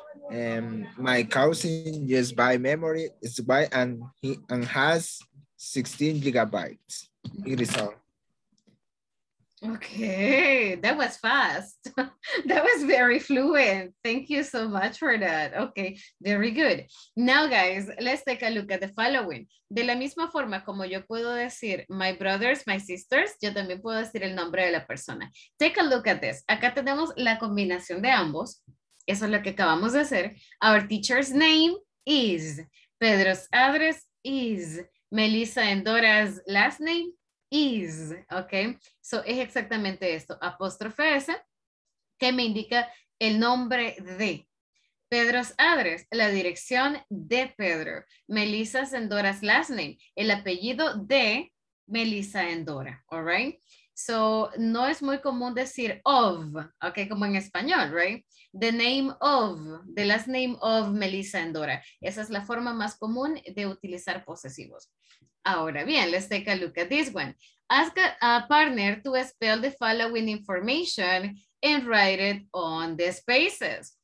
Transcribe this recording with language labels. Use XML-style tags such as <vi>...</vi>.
<en>My cousin just buy memory is buy and he and has 16 gigabytes. It is all. Okay, that was fast. That was very fluent. Thank you so much for that. Okay, very good. Now, guys, let's take a look at the following.</en> <es>De la misma forma como yo puedo decir</es> <en>my brothers, my sisters,</en> <es>yo también puedo decir el nombre de la persona.</es> <en>Take a look at this.</en> <es>Acá tenemos la combinación de ambos. Eso es lo que acabamos de hacer.</es> <en>Our teacher's name is. Pedro's address is. Melissa Endora's last name is, okay?</en> <es>So, es exactamente esto, apóstrofe S, que me indica el nombre de Pedro's address, la dirección de Pedro. Melissa Endora's last name, el apellido de Melissa Endora, all right? So, no es muy común decir of, okay, como en español, right?</es> <en>The name of, the last name of Melissa Endora.</en> <es>Esa es la forma más común de utilizar posesivos.</es> <en>Ahora bien, let's take a look at this one. Ask a partner to spell the following information and write it on the spaces.</en>